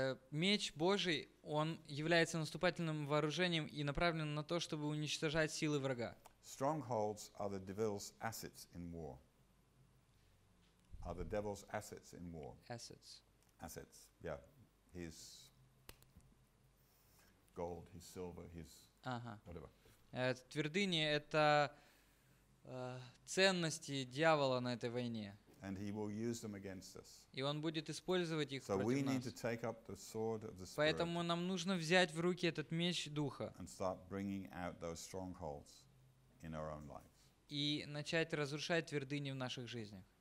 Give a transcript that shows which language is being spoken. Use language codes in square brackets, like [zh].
[ru] Меч Божий, он является наступательным вооружением и направлен на то, чтобы уничтожать силы врага. [en] Strongholds are the devil's assets in war. Are the devil's assets in war? Assets. Assets. Yeah. His gold, his silver, his whatever. [ru] Твердыни — это ценности дьявола на этой войне. [en] And he will use them against us. [ru] И он будет использовать их [en] so [ru] против нас. [en] So we need to take up the sword of the Spirit. [ru] Поэтому нам нужно взять в руки этот меч Духа. [en] And start bringing out those strongholds in our own lives. [ru] И начать разрушать твердыни в наших жизнях.